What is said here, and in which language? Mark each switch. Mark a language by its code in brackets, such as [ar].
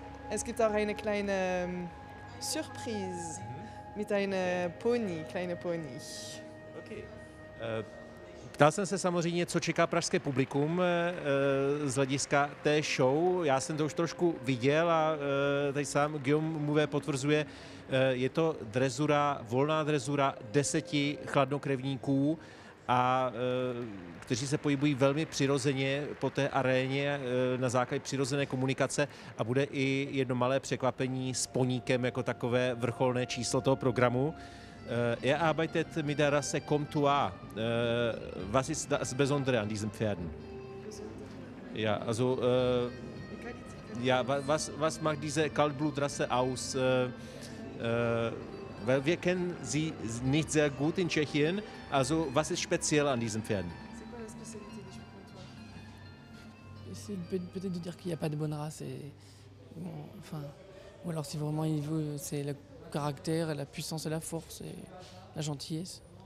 [de] Es gibt auch eine kleine Surprise mit einem Pony, kleine Pony. [en] Okay. [cs] Ptal jsem se samozřejmě, co čeká pražské publikum z hlediska té show. Já jsem to už trošku viděl a tady sám Guillaume Mouvet potvrzuje, je to drezura, volná drezura 10 chladnokrevníků, a kteří se pohybují velmi přirozeně po té aréně na základě přirozené komunikace a bude i jedno malé překvapení s poníkem jako takové vrcholné číslo toho programu. [de] Er arbeitet mit der Rasse Comtois. Was ist das Besondere an diesen Pferden? Besondere. Ja, also ja, was macht diese Kaltblutrasse aus? Weil wir kennen sie nicht sehr gut in Tschechien. Also was ist speziell an diesen Pferden? [fr] C'est quoi la spécialité des peut-être de dire qu'il n'y a pas de bonne race. Enfin, ou alors si vraiment il veut, c'est le caractère, la puissance et la force et la gentillesse.